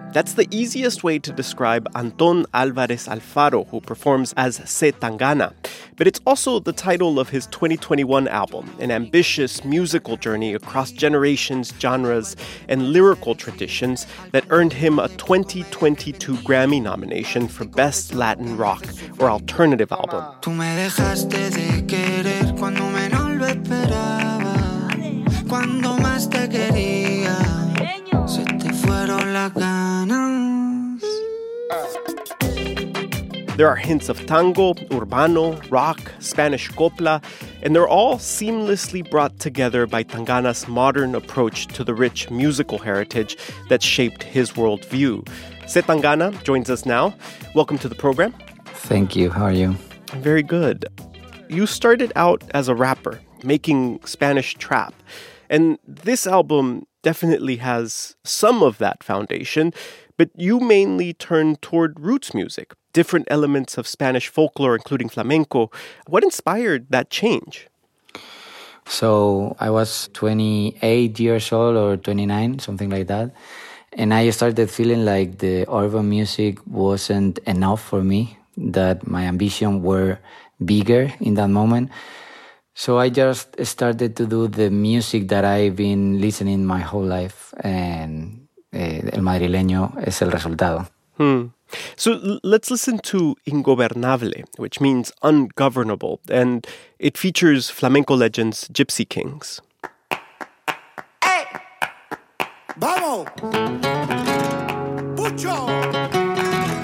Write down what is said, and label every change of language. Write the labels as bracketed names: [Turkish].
[English] That's the easiest way to describe Antón Álvarez Alfaro, who performs as C. Tangana. But it's also the title of his 2021 album, an ambitious musical journey across generations, genres, and lyrical traditions that earned him a 2022 Grammy nomination for Best Latin Rock or Alternative Album. [Spanish] Tú me dejaste de querer cuando menos lo esperaba, cuando más te quería, se te fueron las ganas. [English] There are hints of tango, urbano, rock, Spanish copla, and they're all seamlessly brought together by Tangana's modern approach to the rich musical heritage that shaped his worldview. C. Tangana joins us now. Welcome to the program. Thank you. How are you? Very good. You started out as a rapper, making Spanish trap, and this album definitely has some of that foundation, but you mainly turned toward roots music. Different elements of Spanish folklore, including flamenco. What inspired that change? So I was 28 years old or 29, something like that. And I started feeling like the urban music wasn't enough for me, that my ambitions were bigger in that moment. So I just started to do the music that I've been listening my whole life. [Spanish] And El Madrileño es el resultado. Hmm. [English] So let's listen to Ingobernable, which means ungovernable, and it features flamenco legends Gypsy Kings. Hey! Vamos! Pucho!